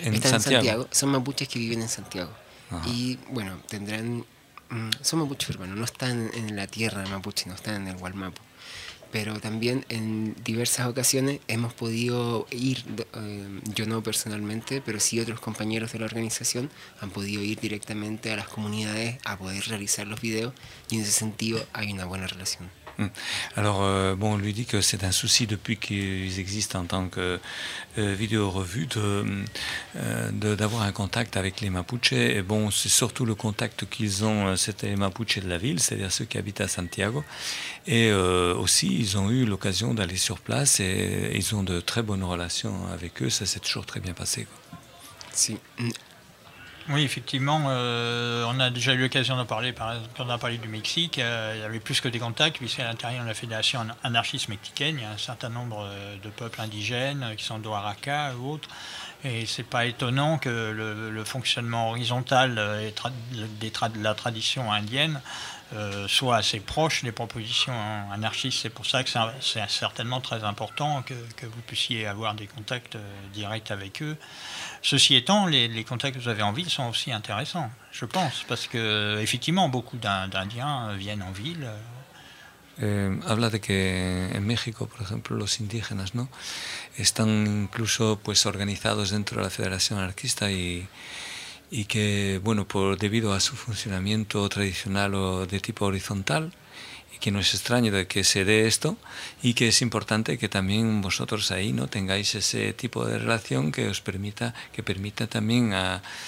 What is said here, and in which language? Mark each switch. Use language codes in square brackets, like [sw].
[es] en Santiago son mapuches que viven en Santiago. Ajá. Y bueno, tendrán son mapuches urbanos, no están en la tierra mapuche, no están en el Hualmapu. Pero también en diversas ocasiones hemos podido ir, yo no personalmente, pero sí otros compañeros de la organización han podido ir directamente a las comunidades a poder realizar los videos, y en ese sentido hay una buena relación. [fr] Alors, bon, on lui dit que c'est un souci depuis qu'ils existent en tant que vidéo-revue d'avoir un contact avec les Mapuches. Et bon, c'est surtout le contact qu'ils ont, c'était les Mapuches de la ville, c'est-à-dire ceux qui habitent à Santiago. Et aussi, ils ont eu l'occasion d'aller sur place et ils ont de très bonnes relations avec eux. Ça s'est toujours très bien passé. [es] Si. [fr] Oui, effectivement, on a déjà eu l'occasion d'en parler, par exemple, quand on a parlé du Mexique, il y avait plus que des contacts, puisqu'à l'intérieur de la Fédération anarchiste mexicaine, il y a un certain nombre de peuples indigènes qui sont d'Oaxaca ou autres. Et c'est pas étonnant que le fonctionnement horizontal de la tradition indienne soit assez proche des propositions anarchistes. C'est pour ça que c'est certainement très important que vous puissiez avoir des contacts directs avec eux. Ceci étant, les contacts que vous avez en ville sont aussi intéressants, je pense, parce que effectivement beaucoup d'Indiens viennent en ville. [es] Habla de que en México, por ejemplo, los indígenas, ¿no?, están incluso pues organizados dentro de la Federación Anarquista, y que bueno, por debido a su funcionamiento tradicional o de tipo horizontal, y que no es extraño de que se dé esto, y que es importante que también vosotros ahí, ¿no?, tengáis ese tipo de relación que os permita, que permita también a